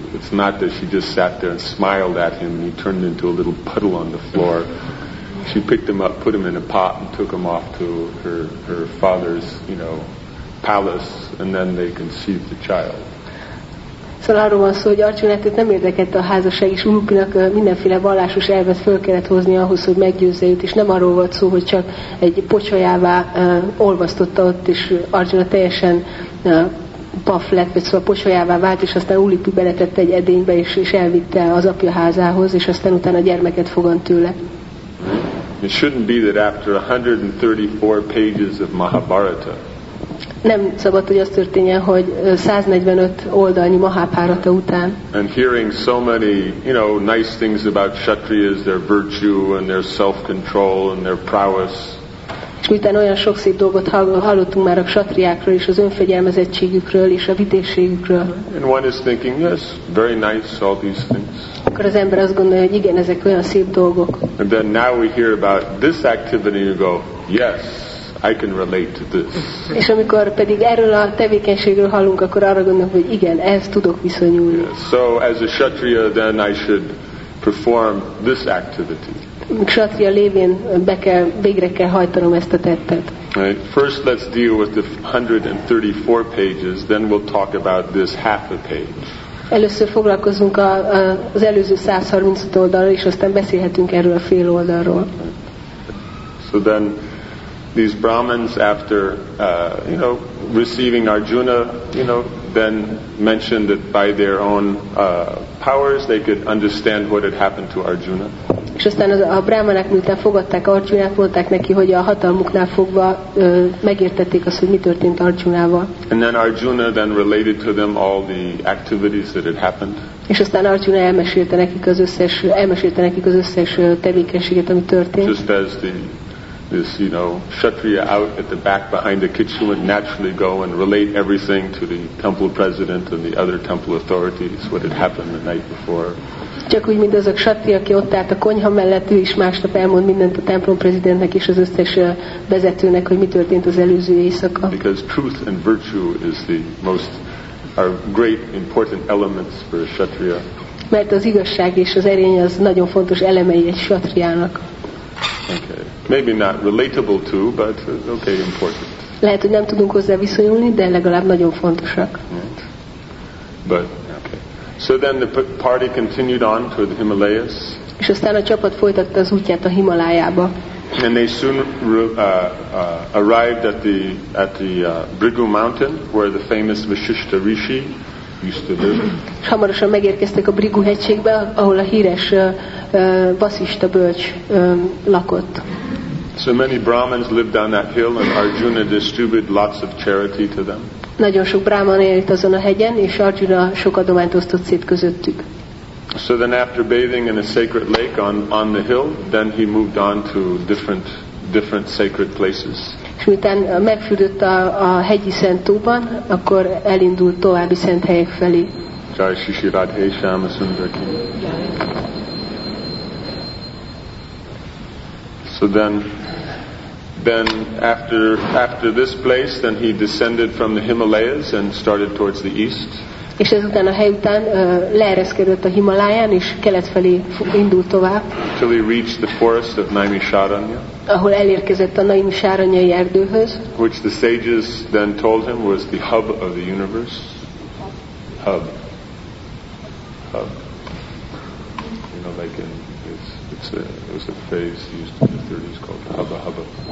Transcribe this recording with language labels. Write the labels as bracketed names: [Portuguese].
[English] It's not that she just sat there and smiled at him and he turned into a little puddle on the floor. She picked him up, put him in a pot, and took him off to her father's, you know, palace, and then they conceived the child. [Hungarian] Szóval arról van szó, hogy Arjunát nem érdekelte a házasság, és Ulupinak mindenféle vallásos elvet föl kellett hozni ahhoz, hogy meggyőzze őt, és nem arról volt szó, hogy csak egy pocsolyává olvasztotta ott, és Arjuna teljesen paf lett, vagy szóval pocsolyává vált, és aztán Ulupi beletette egy edénybe, és elvitte az apja házához, és aztán utána gyermeket fogant tőle. [English] It shouldn't be that after 134 pages of Mahabharata, [Hungarian] nem szabad, hogy az történjen, hogy 145 oldalnyi Mahábhárata után. [English] And hearing so many, you know, nice things about Kshatriyas, their virtue and their self-control and their prowess. [Hungarian] És miután olyan sok szép dolgot hallottunk már a Kshatriyákról és az önfegyelmezettségükről és a vitézségükről. [English] And one is thinking, yes, very nice, all these things. [Hungarian] Akkor az ember azt gondolja, hogy igen, ezek olyan szép dolgok. [English] And then now we hear about this activity, you go, yes, I can relate to this. [Hungarian] És amikor pedig erről a tevékenységről hallunk, akkor arra gondolom, hogy igen, ez tudok viszonyulni. [English] Yes. So as a Kshatriya, then I should perform this activity. [Hungarian] Kshatriya lévén végre kell hajtanom ezt a tettet. [English] Right. First let's deal with the 134 pages, then we'll talk about this half a page. [Hungarian] Először foglalkozunk az előző 135 oldalról, és aztán beszélhetünk erről a fél oldalról. [English] So then, these Brahmins, after you know, receiving Arjuna, you know, then mentioned that by their own powers they could understand what had happened to Arjuna. [Hungarian] És aztán a brahmanák, miután fogadták Arjunát, mondták neki, hogy a hatalmuknál fogva megértették azt, hogy mi történt Arjunával. [English] And then Arjuna then related to them all the activities that had happened. [Hungarian] És aztán Arjuna elmesélte nekik az összes tevékenységet, ami történt. [English] Just as this, you know, Kshatriya out at the back behind the kitchen would naturally go and relate everything to the temple president and the other temple authorities what had happened the night before. [Hungarian] Csak úgy, mint az a Kshatriya, aki ott állt a konyha mellett, ő is másnap elmond mindent a templom prezidentnek és az összes vezetőnek, hogy mi történt az előző éjszaka. [English] Because truth and virtue is the most are great important elements for a Kshatriya. [Hungarian] Mert az igazság és az erény az nagyon fontos elemei egy Kshatriyának. [English] Okay. Maybe not relatable to, but okay, important. [Hungarian] Lehet, hogy nem tudunk hozzá viszonyulni, de legalább nagyon fontosak. [English] But okay. So then the party continued on to the Himalayas. [Hungarian] És aztán a csapat folytatta az útját a Himalájába. [English] And they soon arrived at the Bhrigu Mountain, where the famous Vasishtha Rishi used to live. [Hungarian] És hamarosan megérkeztek a Bhrigu hegységbe, ahol a híres Vasishtha bölcs lakott. [English] So many Brahmins lived on that hill, and Arjuna distributed lots of charity to them. [Hungarian] Nagyon sok Brahman élt azon a hegyen, és Arjuna sok adományt osztott szét közöttük. [English] So then after bathing in a sacred lake on the hill, then he moved on to different sacred places. [Hungarian] És miután megfürdött a hegyi szent tóban, akkor elindult további szent helyek felé. [Hindi] Jai Shishi Radhe Shama Sundar Ki. [English] So then after this place, then he descended from the Himalayas and started towards the east. [Hungarian] És ezután a hely után leereszkedett a Himaláján, és kelet felé indult tovább. [English] Till he reached the forest of Naimisharanya. [Hungarian] Ahol elérkezett a Naimisharanyai erdőhöz. [English] Which the sages then told him was the hub of the universe. Hub. You know, like in it was a phrase used in the 30s called Hubba Hubba.